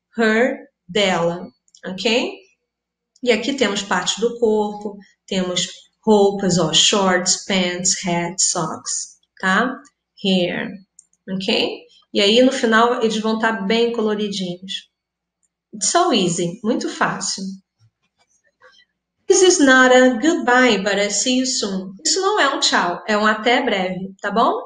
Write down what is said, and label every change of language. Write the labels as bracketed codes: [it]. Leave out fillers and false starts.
[en] Her, [pt] dela. [en] Ok? [pt] E aqui temos parte do corpo, temos roupas, ó, [en] shorts, pants, hat, socks, [pt] tá? [en] Hair, ok? [pt] E aí no final eles vão estar bem coloridinhos. [en] It's so easy, [pt] muito fácil. [en] This is not a goodbye, but I see you soon. [pt] Isso não é um tchau, é um até breve, tá bom?